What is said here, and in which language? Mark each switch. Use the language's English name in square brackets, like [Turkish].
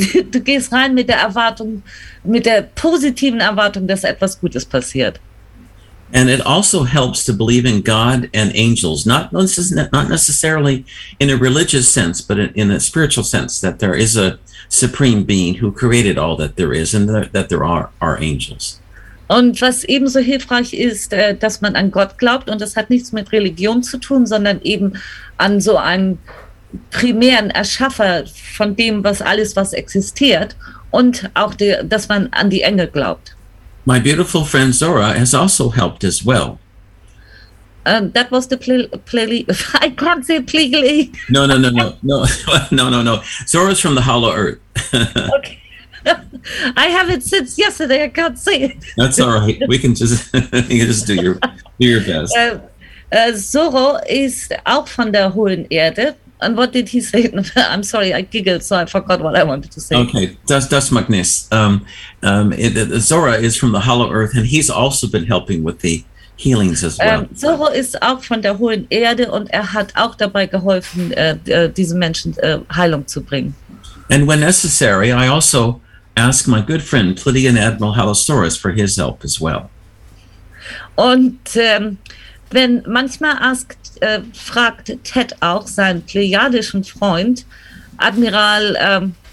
[German] Du gehst rein mit der Erwartung, mit der positiven Erwartung, dass etwas Gutes passiert. [English] And it also helps to believe in God and angels, not necessarily in a religious sense, but in a spiritual sense, that there is a supreme being who created all that there is and that there are angels. [German] Und was ebenso hilfreich ist, dass man an Gott glaubt, und das hat nichts mit Religion zu tun, sondern eben an so einen primären Erschaffer von dem, was alles, was existiert, und auch, dass man an die Engel glaubt. [English] My beautiful friend Zora has also helped as well. That was the plea. I can't say plegally. No. Zora's from the Hollow Earth. Okay. I have it since yesterday. I can't say it. That's all right. We can just do your best. [German] Zora is auch von der hohen Erde. [English] And what did he say? I'm sorry, I giggled, so I forgot what I wanted to say. [German] Okay, das Magnus. [English] Zora is from the Hollow Earth, and he's also been helping with the healings as well. [German] Zora ist auch von der hohen Erde, und hat auch dabei geholfen, diesen Menschen Heilung zu bringen. [English] And when necessary, I also ask my good friend, Plutian Admiral Halosaurus, for his help as well. [German] Und wenn manchmal fragt Ted auch seinen pleiadischen Freund, Admiral